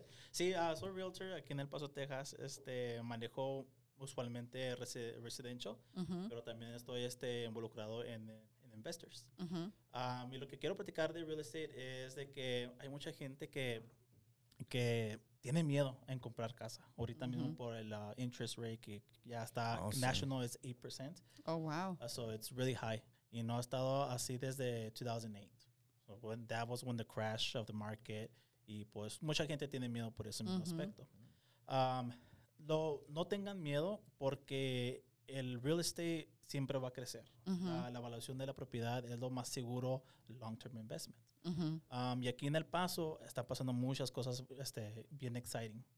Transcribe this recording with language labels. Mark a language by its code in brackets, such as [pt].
[es] Sí, soy realtor aquí en El Paso, Texas, manejo usualmente residential, pero también estoy involucrado en investors. Y lo que quiero platicar de real estate es de que hay mucha gente que tiene miedo en comprar casa. Ahorita mismo por el interest rate que ya está [en] national is 8%. [es] Oh, wow. [en] So it's really high. [es] Y no ha estado así desde 2008. [en] So that was when the crash of the market. [es] Y pues mucha gente tiene miedo por ese mismo aspecto. No tengan miedo porque el real estate siempre va a crecer. La evaluación de la propiedad es lo más seguro [en] long-term investment. [es] Y aquí en El Paso está pasando muchas cosas bien exciting.